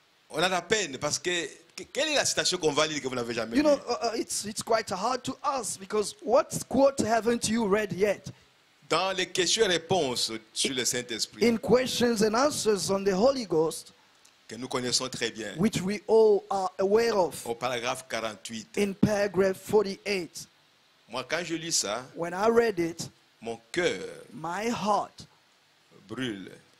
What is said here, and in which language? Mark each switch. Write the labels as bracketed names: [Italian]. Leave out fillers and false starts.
[French] On a la peine parce que quelle est la citation qu'on va lire que vous n'avez jamais lue? [English] You know, it's quite hard to ask because what quote haven't you read yet? [French] Dans les questions-réponses sur le Saint-Esprit. [English] In questions and answers on the Holy Ghost. [French] Que nous connaissons très bien. [English] Which we all are aware of. [French] Au paragraphe 48. [English] In paragraph 48. [French] Moi, quand je lis ça, [English] when I read it, [French] mon cœur, [English] my heart, [French] brûle,